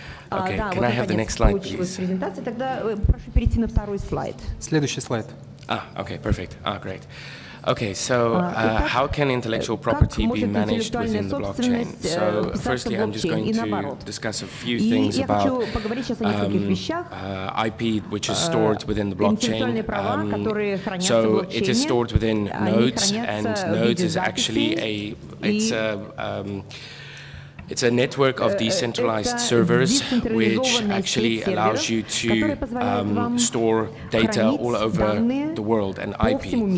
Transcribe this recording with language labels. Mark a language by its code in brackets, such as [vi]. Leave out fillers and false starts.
[en] Okay, can I have the next slide, please? [ru] Тогда прошу перейти на второй слайд. Следующий слайд. [en] Ah, okay, perfect. Ah, great. Okay, so how can intellectual property be managed within the blockchain? So firstly, I'm just going to discuss a few things about IP, which is stored within the blockchain. So it is stored within nodes, and nodes is actually it's a network of decentralized servers, which actually allows you to store data all over the world and IP.